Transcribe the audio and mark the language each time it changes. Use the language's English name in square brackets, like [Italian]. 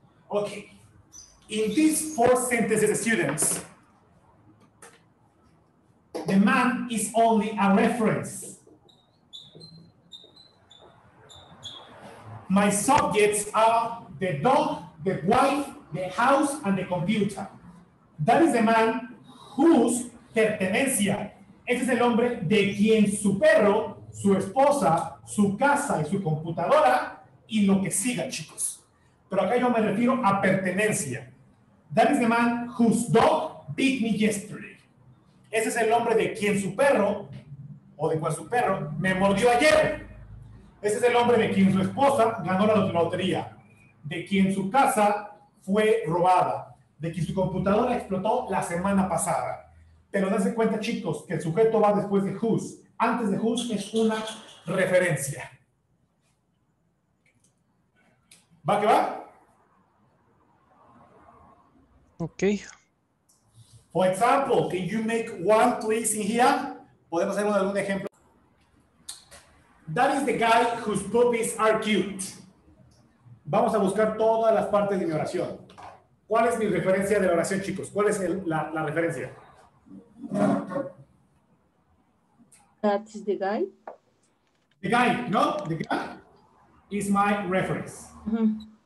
[English] Okay. In these four sentences, students, the man is only a reference. My subjects are the dog, the wife, the house, and the computer. That is the man whose pertenencia. [Spanish] Ese es el hombre de quien su perro, su esposa, su casa y su computadora y lo que siga, chicos. Pero acá yo me refiero a pertenencia. That is the man whose dog bit me yesterday. Ese es el nombre de quien su perro, o de cual su perro, me mordió ayer. Ese es el nombre de quien su esposa ganó la lotería. De quien su casa fue robada. De quien su computadora explotó la semana pasada. Pero dense cuenta, chicos, que el sujeto va después de whose. Antes de whose es una referencia. ¿Va que va? Ok. [English] For example, can you make one please in here? [Spanish] ¿Podemos hacer algún ejemplo? [English] That is the guy whose puppies are cute. [Spanish] Vamos a buscar todas las partes de mi oración. ¿Cuál es mi referencia de la oración, chicos? ¿Cuál es la referencia? [English] That is the guy. The guy, ¿no? The guy is my reference. Mm-hmm.